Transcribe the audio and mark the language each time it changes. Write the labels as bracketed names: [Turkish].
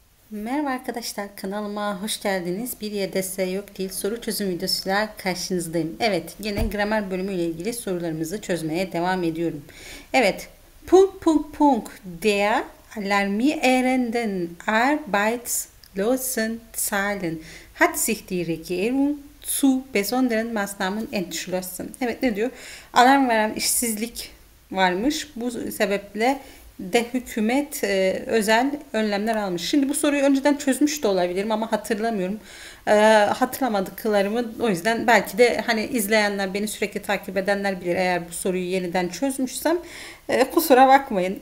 [Turkish] Merhaba arkadaşlar, kanalıma hoş geldiniz. Bir YDS yok değil soru çözüm videosuyla karşınızdayım. Evet, yine gramer bölümü ile ilgili sorularımızı çözmeye devam ediyorum. [German] Evet, punk punk punk der Alarmierenden Arbeitslosen Zahlen hat sich die Regierung zu besonderen Maßnahmen entschlossen. [Turkish] Evet, ne diyor? Alarm veren işsizlik varmış. Bu sebeple de hükümet özel önlemler almış. Şimdi bu soruyu önceden çözmüş de olabilirim ama hatırlamıyorum. Hatırlamadıklarımı, o yüzden belki de hani izleyenler, beni sürekli takip edenler bilir eğer bu soruyu yeniden çözmüşsem. Kusura bakmayın.